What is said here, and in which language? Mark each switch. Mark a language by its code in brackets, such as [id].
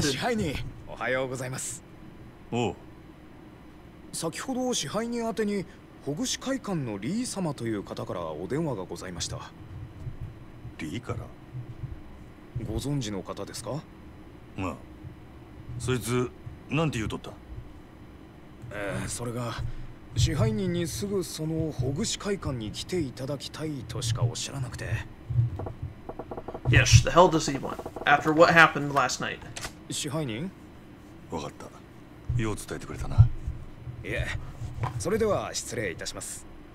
[ja] 支配人、おはようございます。お。先ほど支配人宛てにほぐし会館のリー様という方からお電話がございました。リーから。ご存知の方ですか?まあ、そいつ何て言うとった?それが支配人にすぐそのほぐし会館に来ていただきたいとしかおっしゃらなくて。 [en] Yes, the hell does he want after what happened last night? [ja] 支配人? わかった。よう伝えてくれたな。いえ、それでは失礼いたします。